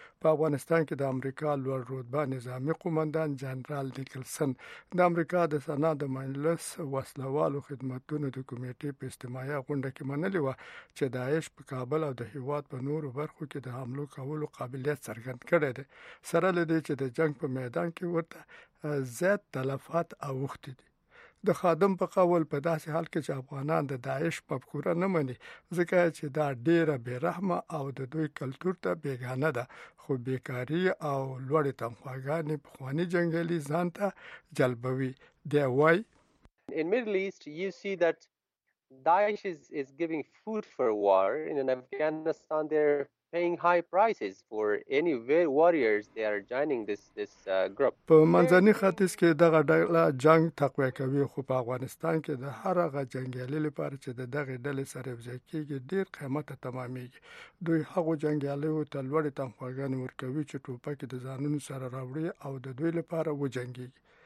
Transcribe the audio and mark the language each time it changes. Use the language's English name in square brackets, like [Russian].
[Pashto] په افغانستان کې د امریکا لوړ رتبه نظامي قومندان جنرال نیکلسن د امریکا د سنا د مجلس وسلوالو خدمتونو د کمیټې په استماعي غونډه کې منلې وه چې داعش په کابل او د هیواد په نورو برخو کې د حملو کولو قابلیت څرګند کړی دی، سره له دې چې د جنګ په میدان کې ورته زیات تلفات اوښتي دي. د خادم په قول په داسې حال کې چې افغانان د داعش په پکوره نه مني، ځکه چې دا ډېره بېرحمه او د دوی کلتور ته بیگانه ده، خو بیکاري او لوړې تنخواګانې پخواني جنګلي ځان ته جلبوي. دی وایي، [English] In Middle East, you see that Daesh is giving food for war. In Afghanistan, they're paying high prices for any warriors they are joining this group. [Pashto] په منځنی ختیځ کې دغه ډله جنگ تقویه کوي، خو په افغانستان کې د هر هغه جنگیالي لپاره چې دغه ډله سره یو ځای کیږي ډیر قیمته تمامېږي. دوی هغو جنگیالیو ته لوړې تنخواګانې ورکوي چې ټوپک د ځانونو سره راوړي او د دوی لپاره وجنګیږي.